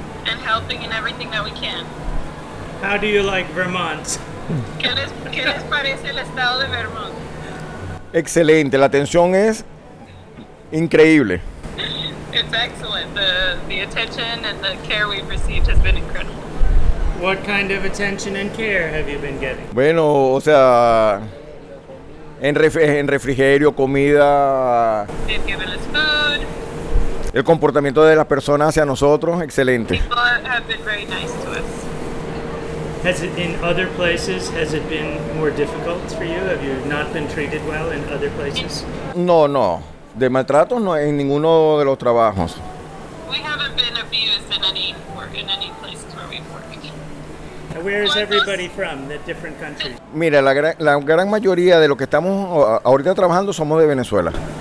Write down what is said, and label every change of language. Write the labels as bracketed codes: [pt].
[en] And helping in everything that we can. How do you like Vermont? [es] ¿Qué les parece el estado de Vermont? Excelente, la atención es increíble. [en] It's excellent. The attention and the care we've received has been incredible. What kind of attention and care have you been getting? [es] Bueno, o sea, en refrigerio, comida. [en] They've given us food. [es] El comportamiento de las personas hacia nosotros, excelente. [en] People have been very nice to us. Has it in other places, has it been more difficult for you? Have you not been treated well in other places? [es] No. De maltrato no en ninguno de los trabajos. [en] We haven't been abused in any work, in any places where we've worked. And where is everybody from, the different countries? [es] Mira, la gran mayoría de lo que estamos ahorita trabajando somos de Venezuela.